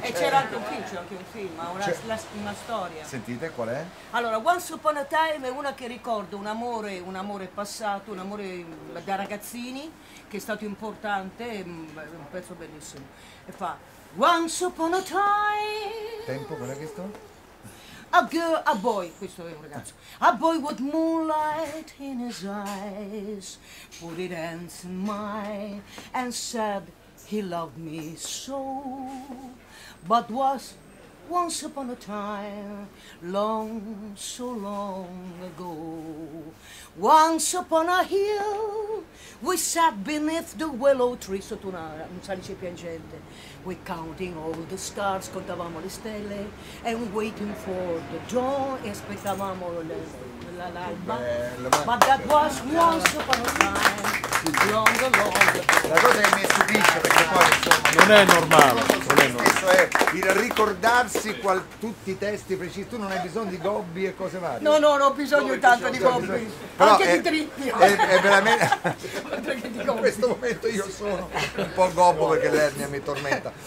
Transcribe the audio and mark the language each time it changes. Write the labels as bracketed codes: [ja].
[it] e c'era anche un film, una storia, sentite qual è? Allora, Once Upon a Time è una che ricordo, un amore passato, un amore da ragazzini, che è stato importante, un pezzo bellissimo, e fa [en] Once upon a time, [it] tempo, quello che sto? [en] A girl, a boy, [it] questo è un ragazzo, [en] a boy with moonlight in his eyes put it hands in mine and said he loved me so, but was once upon a time, long, so long ago. Once upon a hill, we sat beneath the willow tree, [it] sotto un salice piangente. [en] We counting all the stars, [it] contavamo le stelle, [en] and waiting for the dawn, [it] e aspettavamo l'alba. [en] But that was once upon a time. [it] La cosa che mi stupisce, perché poi insomma, non è normale, non è normale. Questo è il ricordarsi tutti i testi precisi. Tu non hai bisogno di gobbi e cose varie. No, non ho bisogno tanto di gobbi, anche di trippi. È veramente in questo momento io sono un po' gobbo perché l'ernia mi tormenta.